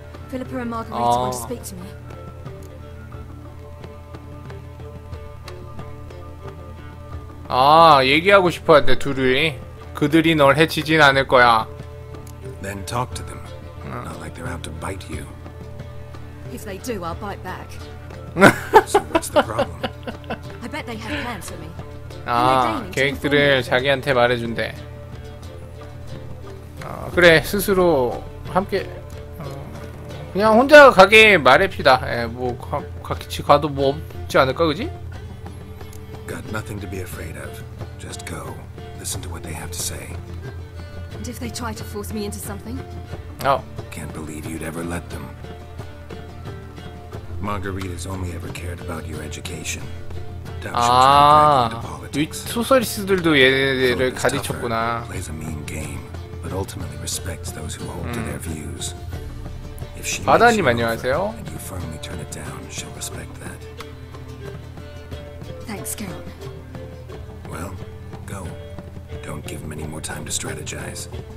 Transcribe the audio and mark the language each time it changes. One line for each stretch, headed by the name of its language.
English: Philippa and Margarita want to speak to me.
Korean: Ah, 얘기하고 싶었는데 둘이 그들이 널 해치진 않을 거야.
English: Then talk to them. Not like they're out to bite you. If they do, I'll bite back. So what's the problem? I bet they have plans for me.
Korean: 아, 계획들을 자기한테 말해준대. 아, 그래, 스스로 함께 그냥 혼자 가게 말합시다. 예, 뭐 같이 가도 뭐 있지 않을까, 그지?
English: Got nothing to be afraid of. Just go. Listen to what they have to say. And if they try to force me into something? Oh. Can't believe you'd ever let them. Margarita's only ever cared about your education.
Korean: 아, 소서리스들도 얘네를 가르쳤구나.
English: Plays a mean game, but ultimately respects those who hold to their views.
Korean: 바다님 안녕하세요.
English: And you firmly turn it down, she'll respect that. Thanks, Carol. Well, go. Don't give him any more time to strategize.